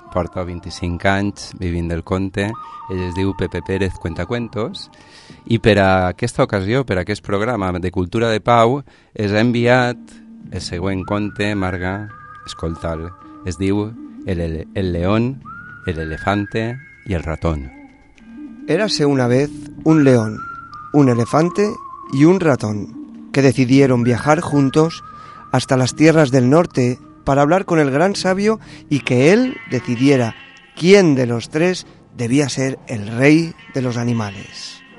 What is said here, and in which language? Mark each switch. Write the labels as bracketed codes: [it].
[ca] Porta 25 anys vivint del conte. Ell es diu Pepe Pérez Cuentacuentos. I per a aquesta ocasió, per a aquest programa de Cultura de Pau, es ha enviat el següent conte, Marga, escolta'l. Es diu El león, el elefante y el ratón. [es] Érase una vez un león, un elefante y un ratón, que decidieron viajar juntos hasta las tierras del norte para hablar con el gran sabio y que él decidiera quién de los tres debía ser el rey de los animales.